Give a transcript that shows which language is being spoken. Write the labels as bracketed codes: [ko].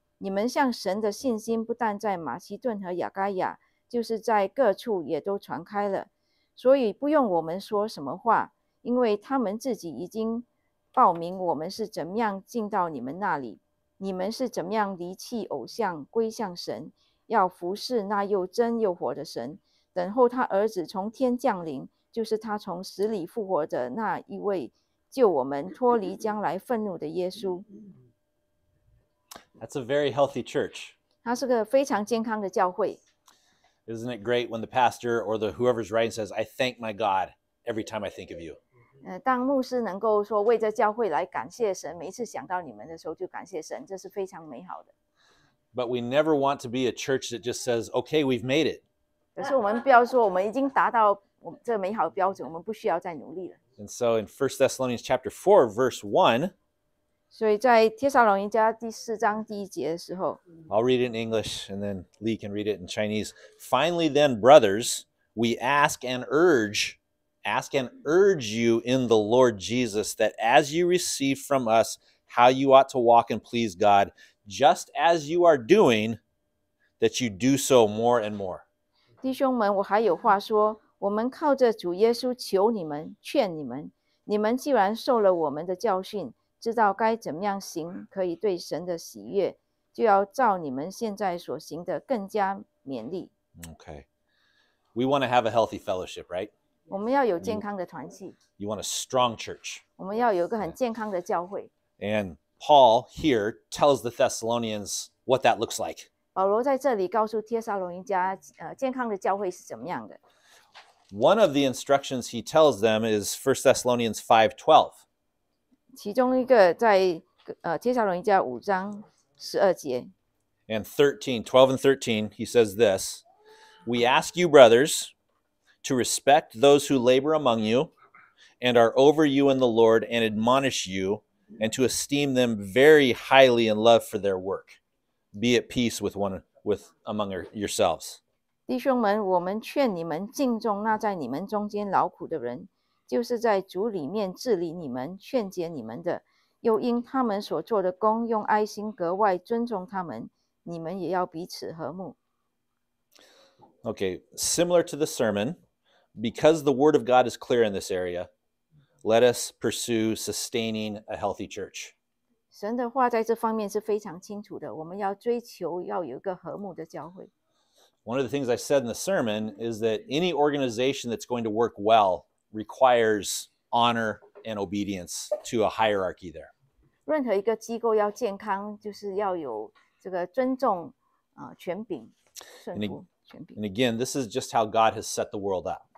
[zh] 你们向神的信心不但在马其顿和亚该亚，就是在各处也都传开了，所以不用我们说什么话，因为他们自己已经报名我们是怎么样进到你们那里，你们是怎么样离弃偶像归向神，要服侍那又真又活的神，等候他儿子从天降临，就是他从死里复活的那一位，救我们脱离将来愤怒的耶稣。 [en] That's a very healthy church. [zh] 他是个非常健康的教会。 [en] Isn't it great when the pastor or the whoever's writing says, I thank my God every time I think of you? [zh] 当牧师能够说为这教会来感谢神，每次想到你们的时候就感谢神，这是非常美好的。 [en] But we never want to be a church that just says, okay, we've made it. [zh] 可是我们不要说我们已经达到我们这美好的标准，我们不需要再努力了。 [en] And so in 1 Thessalonians chapter 4, verse 1, [zh] 所以在帖撒罗尼迦第四章第一节的时候， [en] I'll read it in English and then Lee can read it in Chinese. Finally then, brothers, we ask and urge you in the Lord Jesus that as you receive from us how you ought to walk and please God, just as you are doing, that you do so more and more. [zh] 弟兄们，我还有话说。我们靠着主耶稣求你们，劝你们，你们既然受了我们的教训，知道该怎么样行，可以对神的喜悦，就要照你们现在所行的更加勉励。 [en] Okay. We want to have a healthy fellowship, right? [zh] 我们要有健康的团契。 [en] You want a strong church. [zh] 我们要有个很健康的教会。 [en] And Paul here tells the Thessalonians what that looks like. [zh] 保罗在这里告诉帖撒罗尼迦，健康的教会是怎么样的。 [en] One of the instructions he tells them is 1 Thessalonians 5:12. [zh] 其中一个在帖撒罗尼迦五章十二节。 [en] And 12 and 13, he says this: We ask you, brothers, to respect those who labor among you and are over you in the Lord and admonish you, and to esteem them very highly in love for their work. Be at peace among yourselves. [zh] 弟兄们，我们劝你们敬重那在你们中间劳苦的人，就是在主里面治理你们、劝解你们的，又因他们所做的工，用爱心格外尊重他们，你们也要彼此和睦。 [en] Okay, similar to the sermon, because the word of God is clear in this area, let us pursue sustaining a healthy church. [zh] 神的话在这方面是非常清楚的，我们要追求要有一个和睦的教会。 [en] One of the things I said in the sermon is that any organization that's going to work well requires honor and obedience to a hierarchy there. [zh] 任何一个机构要健康，就是要有这个尊重，权柄，顺服权柄。 [en] And again, this is just how God has set the world up.